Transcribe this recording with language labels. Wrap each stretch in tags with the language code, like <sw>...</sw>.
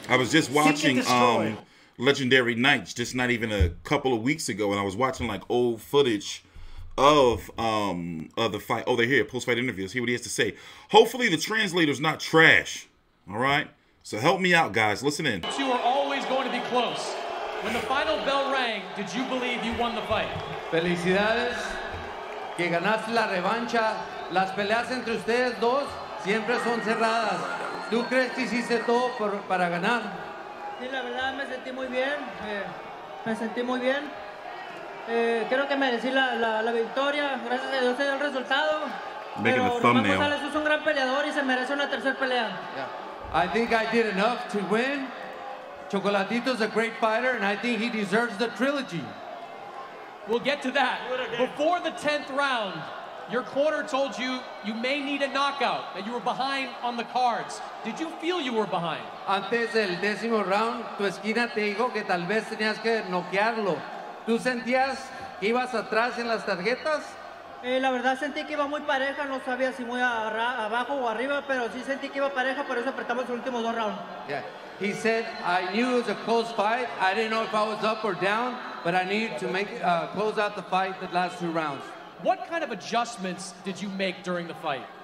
<en>I was just watching Legendary Nights just not even a couple of weeks ago, and I was watching like old footage of the fight. Oh, they're here. Post-fight interviews. Hear what he has to say. Hopefully the translator's not trash. All right? So help me out, guys. Listen in. You were always going to be close. When the final bell rang, did you believe you won the fight?</en> <es>Felicidades. Que ganaste la revancha. Las peleas entre ustedes dos siempre son cerradas. ¿Tú crees que hiciste todo para ganar? Sí, la verdad, me sentí muy bien. Me sentí muy bien. Creo que merecí la victoria. Gracias a Dios, el resultado.</es> <en>Making</en> <es>Pero</es> <en>the thumbnail.</en> <es>Rungvisai es un gran peleador y se merece una tercera pelea.</es> <en>Yeah. I think I did enough to win. Chocolatito's a great fighter, and I think he deserves the trilogy. We'll get to that. Before the 10th round, your corner told you you may need a knockout, that you were behind on the cards. Did you feel you were behind?</en> <es>Antes del décimo round, tu esquina te dijo que tal vez tenías que noquearlo. ¿Tú sentías que ibas atrás en las tarjetas? La verdad, sentí que iba muy pareja. No sabía si muy abajo o arriba, pero sí sentí que iba pareja. Por eso apretamos los últimos dos rounds.</es> <en>Yeah. He said, I knew it was a close fight. I didn't know if I was up or down, but I needed to close out the fight the last two rounds. What kind of adjustments did you make during the fight?</en>